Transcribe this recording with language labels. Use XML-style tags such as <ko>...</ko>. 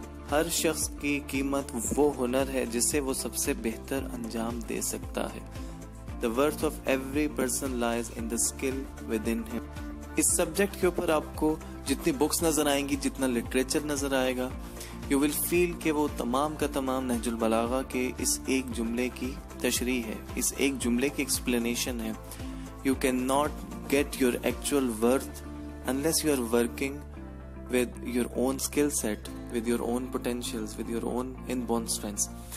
<ur>ہر شخص کی قیمت وہ ہنر ہے جسے وہ سب سے بہتر انجام دے سکتا ہے.</ur> <en>The worth of every person lies in the skill within him.</en> <ur>اس subject کے اوپر آپ کو جتنی بکس نظر آئیں گی جتنا لٹریچر نظر آئے گا</ur> <en>you will feel</en> <ur>کہ وہ تمام کا تمام نہج البلاغہ کے اس ایک جملے کی تشریح ہے, اس ایک جملے کی ایکسپلینیشن ہے.</ur> <en>You cannot get your actual worth unless you are working with your own skill set, with your own potentials, with your own inborn strengths.</en>